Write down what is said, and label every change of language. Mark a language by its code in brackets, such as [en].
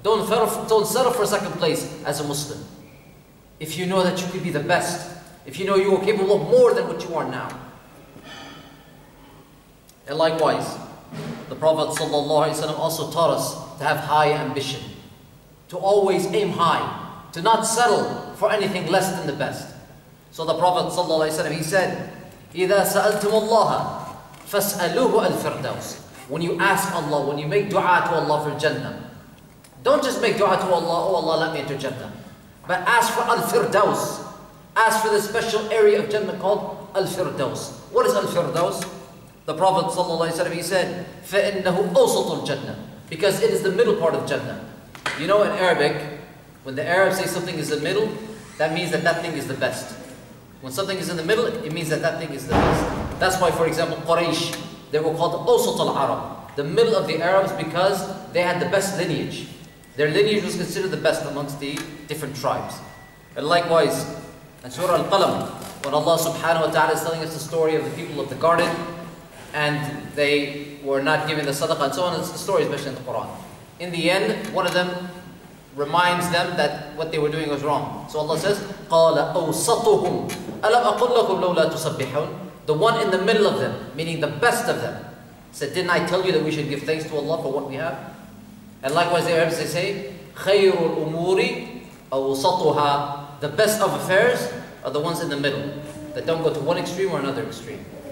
[en] Don't settle for second place as a Muslim. If you know that you could be the best, if you know you are capable of more than what you are now. And likewise, the Prophet ﷺ also taught us to have high ambition, to always aim high, to not settle for anything less than the best. [ar] So the Prophet ﷺ, he said, إِذَا سَأَلْتُمُ اللَّهَ فَاسْأَلُوهُ الْفِرْدَوْسِ. [en] When you ask Allah, when you make dua to Allah for Jannah, don't just make dua to Allah, oh Allah, let me enter Jannah. But ask for Al-Firdaus. Ask for the special area of Jannah called Al-Firdaus. What is Al-Firdaus? [ar] The Prophet ﷺ, he said, فَإِنَّهُ أَوْسَطُ الْجَنَّةِ. [en] Because it is the middle part of Jannah. You know, in Arabic, when the Arabs say something is the middle, that means that that thing is the best. When something is in the middle, it means that that thing is the best. That's why, for example, Quraysh, they were called [ar] أوسط العرب, [en] the middle of the Arabs, because they had the best lineage. Their lineage was considered the best amongst the different tribes. And likewise, in Surah Al-Qalam, when Allah subhanahu wa ta'ala is telling us the story of the people of the garden, and they were not given the sadaqah and so on, it's the story especially in the Quran. In the end, one of them reminds them that what they were doing was wrong. [ar] So Allah says, قَالَ أَوْسَطُهُمْ أَلَمْ أَقُلْ لَكُمْ لَوْلَا تُصَبِّحُونَ. [en] The one in the middle of them, meaning the best of them, said, didn't I tell you that we should give thanks to Allah for what we have? [ar] And likewise, the Arabs, they say, خَيْرُ الْأُمُورِ أَوْسَطُهَا. [en] The best of affairs are the ones in the middle, that don't go to one extreme or another extreme.